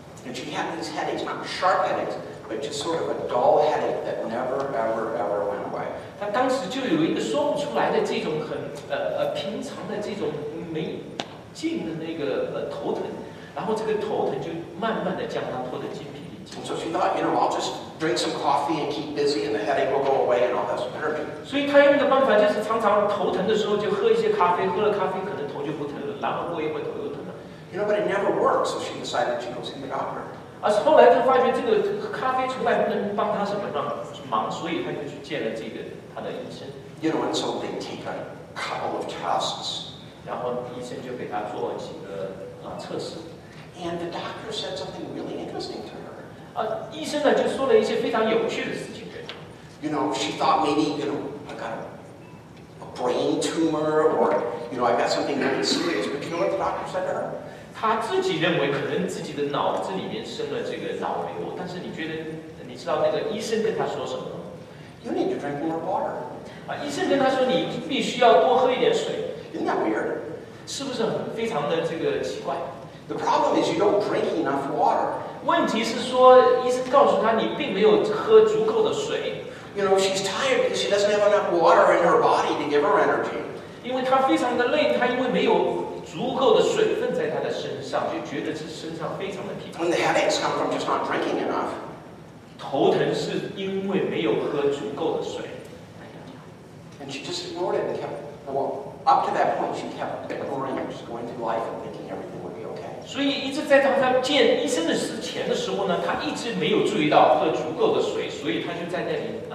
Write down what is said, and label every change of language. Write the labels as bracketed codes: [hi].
[en] And she had these headaches, not sharp headaches, but just sort of a dull headache that never, ever, ever went away. [zh] 他当时就有一个说不出来的这种很平常的这种没劲的那个头疼，然后这个头疼就慢慢的将他拖得筋疲力尽。 [en] So she thought, you know, I'll just drink some coffee and keep busy, and the headache will go away, and I'll have some energy. [zh] 所以他用的办法就是常常头疼的时候就喝一些咖啡，喝了咖啡可能头就不疼了，然后过一会头又疼了。 [en] You know, but it never works, so she decided to go see the doctor. [zh] 而是后来他发觉这个咖啡从来不能帮他什么忙，所以他就去见了这个他的医生。 [en] You know, and so they take a couple of tests. [zh] 然后医生就给他做了几个测试。 [en] And the doctor said something really interesting to her. [zh] 医生呢就说了一些非常有趣的事情。 [en] You know, she thought maybe, you know, I got a brain tumor or, you know, I got something really serious. But you know what the doctor said to her? [zh] 她自己认为可能自己的脑子里面生了这个脑瘤，但是你觉得，你知道那个医生跟她说什么？ [en] You need to drink more water. [zh] 医生跟她说你必须要多喝一点水。 [en] Isn't that weird? [zh] 是不是非常的这个奇怪？ [en] The problem is you don't drink enough water. [zh] 问题是说医生告诉她你并没有喝足够的水。 [en] You know, she's tired because she doesn't have enough water in her body to give her energy. [zh] 因为她非常的累，她因为没有足够的水分在她的身上，就觉得这身上非常的疲惫。 [en] And the headaches come from just not drinking enough. [zh] 头疼是因为没有喝足够的水。 [en] And she just ignored it and kept, well, up to that point, she kept ignoring it, just going through life and thinking everything would be okay. [zh] 所以一直在她见医生的之前的时候呢，她一直没有注意到喝足够的水，所以她就在那里。